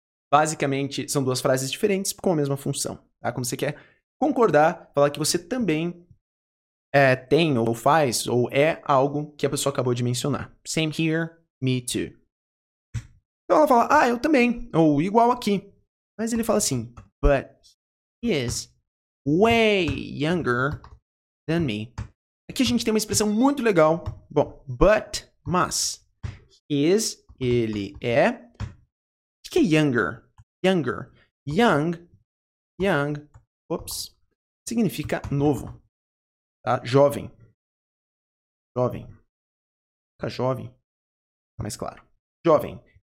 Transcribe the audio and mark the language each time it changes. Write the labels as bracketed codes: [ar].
[pt] Basicamente, são duas frases diferentes com a mesma função. Tá? Quando você quer concordar, falar que você também tem ou faz ou é algo que a pessoa acabou de mencionar. [en] Same here, me too. [pt] Então ela fala, ah, eu também, ou igual aqui. Mas ele fala assim, [en] but he is way younger than me. [pt] Aqui a gente tem uma expressão muito legal. Bom, but, mas, is, ele é. O que é younger? Younger. Young. Young. Ops. Significa novo. Tá? Jovem. Jovem. Fica jovem. Mais claro. Jovem.